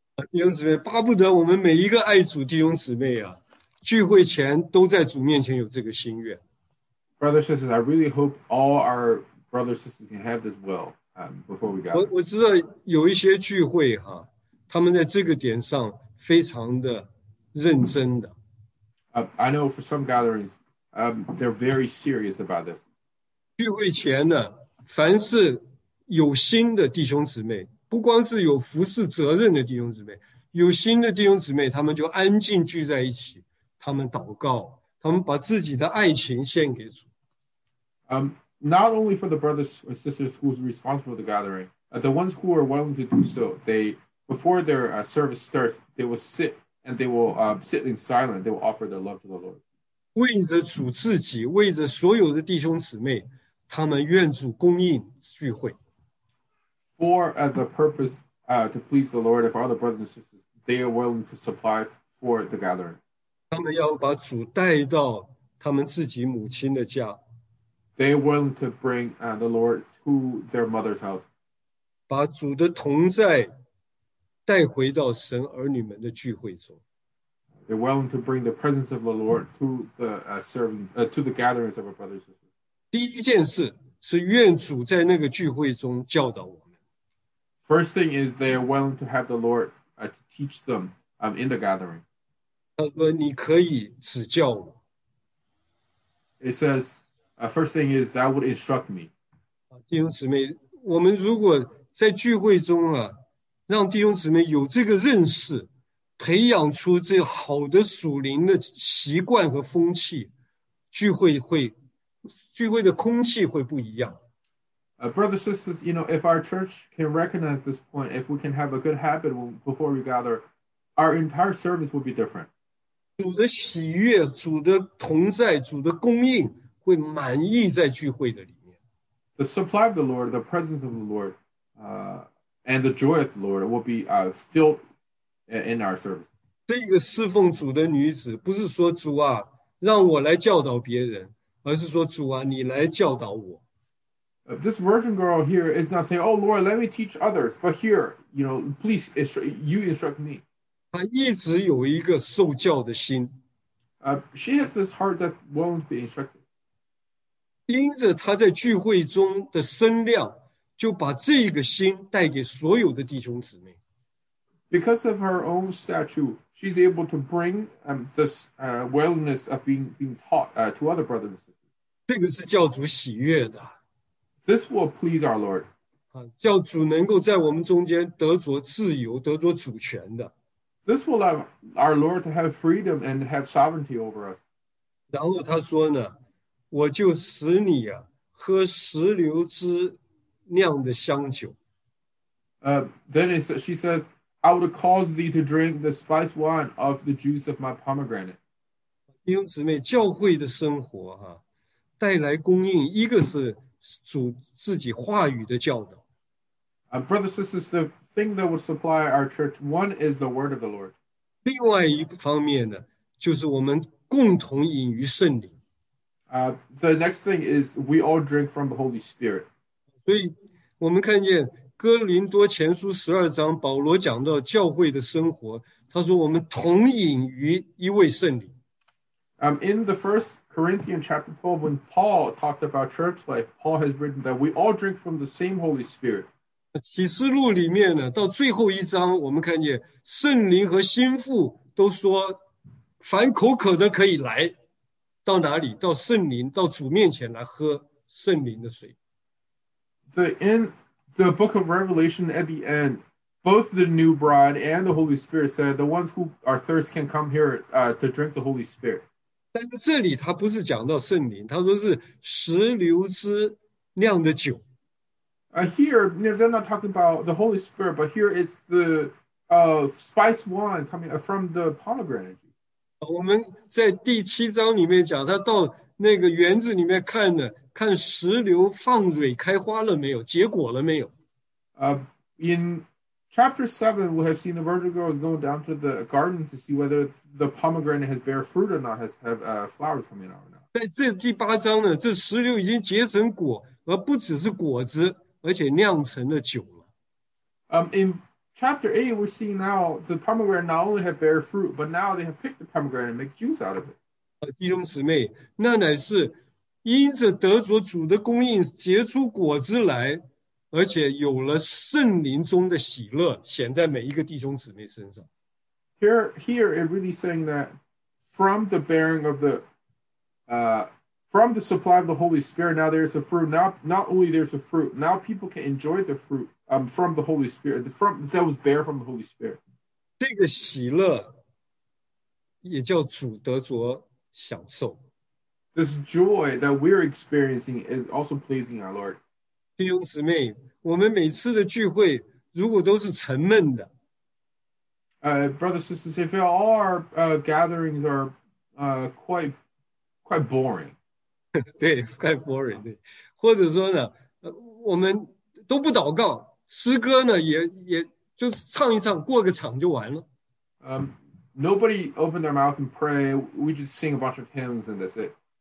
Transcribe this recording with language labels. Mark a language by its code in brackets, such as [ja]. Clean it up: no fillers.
[zh] 弟兄姊妹，巴不得我们每一个爱主弟兄姊妹啊，聚会前都在主面前有这个心愿。 [en] Brothers and sisters, I really hope all our brothers and sisters can have this will before we gather. [zh] 我知道有一些聚会哈，他们在这个点上非常的认真的。 [en] I know for some gatherings, they're very serious about this. [zh] 聚会前呢，凡是有心的弟兄姊妹，不光是有服事责任的弟兄姊妹，有心的弟兄姊妹，他们就安静聚在一起，他们祷告，他们把自己的爱情献给主。 [en] Not only for the brothers or sisters who's responsible for the gathering, the ones who are willing to do so, they, before their service starts, they will sit and they will sit in silence, they will offer their love to the Lord. [zh] 为着主自己，为着所有的弟兄姊妹，他们愿主供应聚会。 [en] For the purpose to please the Lord, if all the brothers and sisters, they are willing to supply for the gathering. [zh] 他们要把主带到他们自己母亲的家。 [en] They are willing to bring the Lord to their mother's house. [zh] 把主的同在带回到神儿女们的聚会中。 [en] They are willing to bring the presence of the Lord to the to the gatherings of our brothers and sisters. [zh] 第一件事是愿主在那个聚会中教导我们。 [en] First thing is they are willing to have the Lord to teach them in the gathering. [zh] 他说你可以指教我。 [en] It says,first thing is that would instruct me. [zh] 弟兄姊妹，我们如果在聚会中啊，让弟兄姊妹有这个认识，培养出这好的属灵的习惯和风气，聚会的空气会不一样。 [en] Brothers and sisters, you know, if our church can recognize this point, if we can have a good habit before we gather, our entire service will be different. [zh] 主的喜悦，主的同在，主的供应。会满意在聚会的里面。 [en] The supply of the Lord, the presence of the Lord, and the joy of the Lord will be filled in our service. [zh] 这个侍奉主的女子不是说主啊，让我来教导别人，而是说主啊，你来教导我。 [en] This virgin girl here is not saying, "Oh Lord, let me teach others," but here, you know, please you instruct me. [zh] 她一直有一个受教的心。 [en] She has this heart that won't be instructed. [zh] 盯着他在聚会中的声量，就把这个心带给所有的弟兄姊妹。 [en] Because of her own stature, she's able to bring this willingness of being taught to other brothers and sisters. [zh] 这个是教主喜悦的。 [en] This will please our Lord. [zh] 教主能够在我们中间得着自由，得着主权的。 [en] This will allow our Lord to have freedom and have sovereignty over us. [zh] 然后他说呢，我就使你啊喝石榴汁酿的香酒。 [en] Then she says, "I would cause thee to drink the spiced wine of the juice of my pomegranate." [zh] 弟兄姊妹，教会的生活哈、啊，带来供应，一个是主自己话语的教导。 [en] Brothers and sisters, the thing that will supply our church, one is the word of the Lord. [zh] 另外一方面呢，就是我们共同饮于圣灵。 [en] The next thing is we all drink from the Holy Spirit. [zh] 所以我们看见哥林多前书十二章保罗讲到教会的生活，他说我们同饮于一位圣灵。 [en] In the first Corinthians chapter 12, when Paul talked about church life, Paul has written that we all drink from the same Holy Spirit. [zh] 启示录里面呢，到最后一章，我们看见圣灵和心腹都说，凡口渴的可以来。到哪里？到圣灵，到主面前来喝圣灵的水。 [en] So in the book of Revelation, at the end, both the new bride and the Holy Spirit said, "The ones who are thirst can come here to drink the Holy Spirit." [zh] 但是这里他不是讲到圣灵，他说是石榴汁酿的酒。 [en] Here, you know, they're not talking about the Holy Spirit, but here is the spiced wine coming from the pomegranate. [zh] 我们在第七章里面讲，他到那个园子里面看呢，看石榴放蕊开花了没有，结果了没有。 [en] In chapter 7, we have seen the virgin girl go down to the garden to see whether the pomegranate has bear fruit or not, has have flowers coming out or not. [zh] 在这第八章呢，这石榴已经结成果，而不只是果子，而且酿成了酒了。 [en] Chapter 8, we're seeing now the pomegranate not only have bear fruit, but now they have picked the pomegranate and make juice out of it. [zh] 弟兄姊妹，那乃是因着得着主的供应结出果子来，而且有了圣灵中的喜乐显在每一个弟兄姊妹身上。 [en] Here it really saying that from the bearing of the, from the supply of the Holy Spirit, now there's a fruit. Not only there's a fruit, now people can enjoy the fruit, from the Holy Spirit, from that was bear from the Holy Spirit. [zh] 这个喜乐也叫主得着享受。 [en] This joy that we're experiencing is also pleasing our Lord. [zh] 弟兄姊妹，我们每次的聚会如果都是沉闷的。 [en] Brothers, sisters, if all our gatherings are quite boring. [zh] 对 [en] quite boring. [zh] 对或者说呢我们都不祷告诗歌呢也就唱一唱过个场就完了。 [en] Nobody opened their mouth and pray. We just sing a bunch of hymns and that's it.